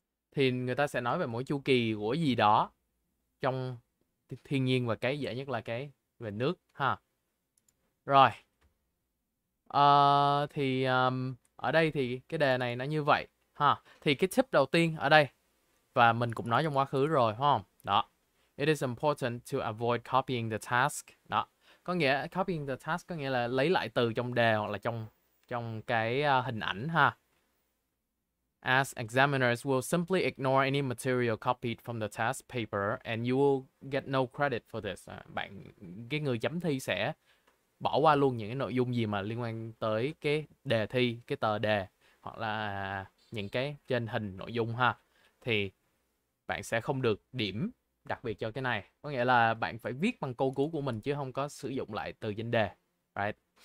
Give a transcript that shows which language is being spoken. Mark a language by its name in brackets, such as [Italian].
[Vietnamese] Thì người ta sẽ nói về mỗi chu kỳ của gì đó trong thiên nhiên và cái dễ nhất là cái về nước ha. Rồi. Thì ở đây thì cái đề này nó như vậy ha. Thì cái tip đầu tiên ở đây và mình cũng nói trong quá khứ rồi không? Đó. [English] It is important to avoid copying the task. [Vietnamese] Đó. Có nghĩa [English] copying the task [Vietnamese] có nghĩa là lấy lại từ trong đề hoặc là trong trong cái hình ảnh ha. [English] As examiners will simply ignore any material copied from the task paper and you will get no credit for this. [Vietnamese] Bạn, cái người chấm thi sẽ bỏ qua luôn những cái nội dung gì mà liên quan tới cái đề thi, cái tờ đề hoặc là những cái trên hình nội dung ha. Thì bạn sẽ không được điểm đặc biệt cho cái này. Có nghĩa là bạn phải viết bằng câu cú của mình chứ không có sử dụng lại từ danh đề. Right.